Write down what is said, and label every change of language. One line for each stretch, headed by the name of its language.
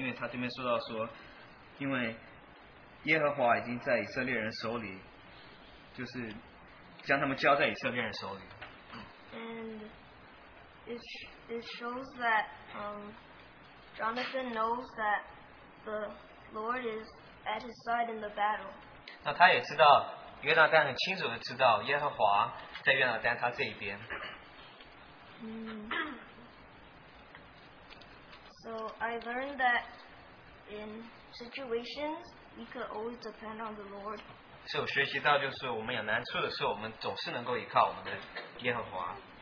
Chinese: 这边也说到约拿单是充满着恩典，因为他这边说到说，因为耶和华已经在以色列人手里，就是将他们交在以色列人手里。
English: And it shows that Jonathan knows that the Lord is at his side in the battle.
Chinese: 那他也知道约拿单很清楚的知道耶和华在约拿单他这一边。
English: So I learned that in situations we could always depend on the Lord.
Chinese: 所以我学习到就是我们有难处的时候，我们总是能够依靠我们的耶和华。